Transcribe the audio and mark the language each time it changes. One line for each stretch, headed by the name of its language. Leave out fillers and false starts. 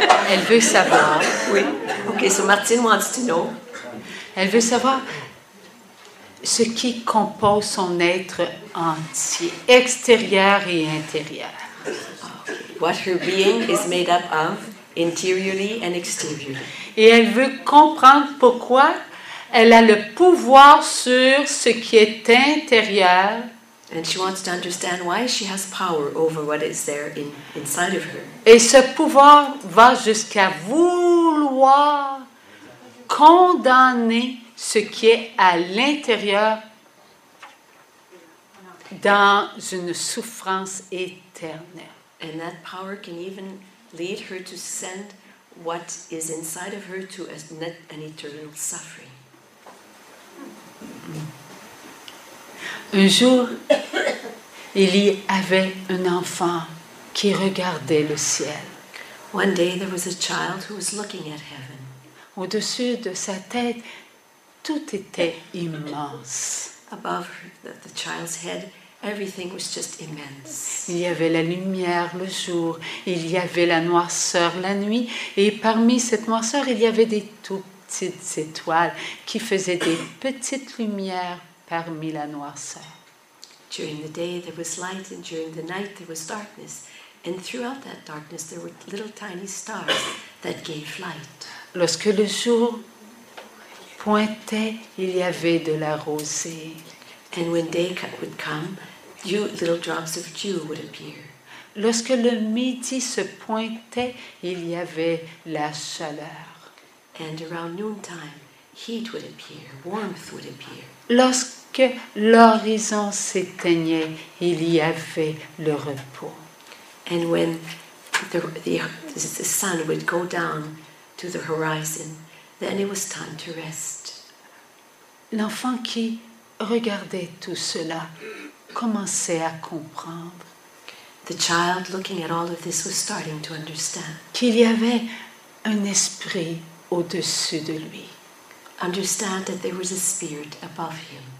French: Elle veut savoir. Oui. OK, c'est Martine ou Antino. Elle veut savoir ce qui compose son être entier, extérieur et intérieur.
English: What her being is made up of, interiorly and exteriorly.
French: Et elle veut comprendre pourquoi elle a le pouvoir sur ce qui est intérieur.
English: And she wants to understand why she has power over what is there inside of her.
French: Et ce pouvoir va jusqu'à vouloir condamner ce qui est à l'intérieur dans une souffrance éternelle.
English: And that power can even lead her to send what is inside of her to an eternal suffering.
French: Un jour, Élie avait un enfant qui regardait le ciel.
English: One day there was a child who was looking at heaven.
French: Au-dessus de sa tête, tout était immense.
English: Above her, the child's head, everything was just immense.
French: Il y avait la lumière le jour, il y avait la noirceur la nuit, et parmi cette noirceur, il y avait des tout petites étoiles qui faisaient des petites lumières parmi la noirceur.
English: During the day, there was light, and during the night, there was darkness. And throughout that darkness, there were little tiny stars that gave light.
French: Lorsque le jour pointait, il y avait de la rosée.
English: And when day would come, dew, little drops of dew would appear.
French: Lorsque le midi se pointait, il y avait la chaleur.
English: And around noontime, heat would appear, warmth would appear.
French: Lorsque l'horizon s'éteignait, il y avait le repos.
English: And when the sun would go down to the horizon, then it was time to rest.
French: L'enfant qui regardait tout cela, commençait à comprendre.
English: The child looking at all of this was starting to understand.
French: Qu'il y avait un esprit au-dessus de lui.
English: Understand that there was a spirit above him.